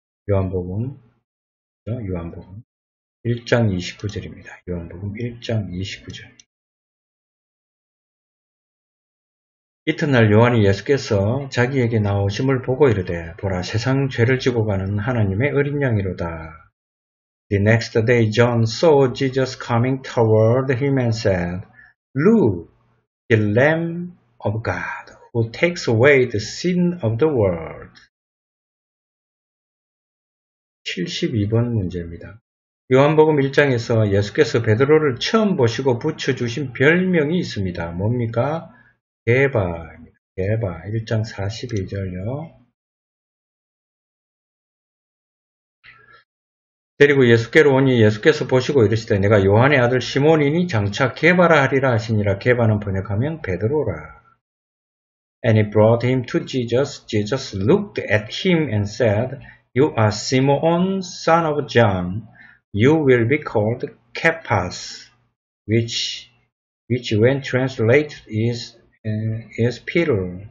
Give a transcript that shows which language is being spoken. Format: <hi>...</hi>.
<ko>요한복음 요한복음 1장 29절입니다. 요한복음 1장 29절. 이튿날 요한이 예수께서 자기에게 나오심을 보고 이르되 보라 세상 죄를 지고 가는 하나님의 어린 양이로다. The next day John saw Jesus coming toward him and said, Look, the Lamb of God who takes away the sin of the world. 72번 문제입니다. 요한복음 1장에서 예수께서 베드로를 처음 보시고 붙여주신 별명이 있습니다. 뭡니까? 개바입니다. 개바. 1장 41절요. 데리고 예수께로 오니 예수께서 보시고 이르시되 내가 요한의 아들 시몬이니 장차 개바라 하리라 하시니라. 개바는 번역하면 베드로라.</ko> <en>And he brought him to Jesus. Jesus looked at him and said, You are Simon, son of John. You will be called Cephas, which when translated is Peter.</en>